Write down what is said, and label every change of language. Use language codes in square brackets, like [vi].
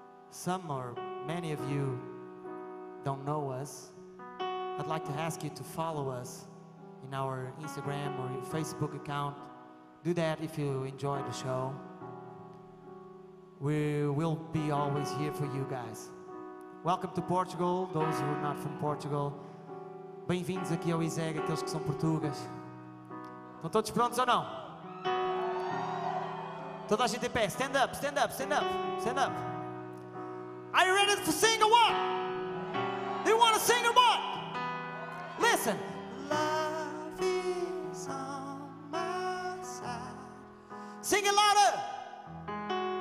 [en] some or many of you don't know us, I'd like to ask you to follow us in our Instagram or Facebook account. Do that if you enjoy the show. We will be always here for you guys. Welcome to Portugal, those who are not from Portugal. [pt] Bem-vindos aqui ao Iseg, aqueles que são portugueses. Estão todos prontos ou não? Toda a gente em pé. [en] Stand up, stand up, stand up, stand up. Are you ready to sing or what? Do you want to sing or what? Listen. Love is on my side. Sing it louder.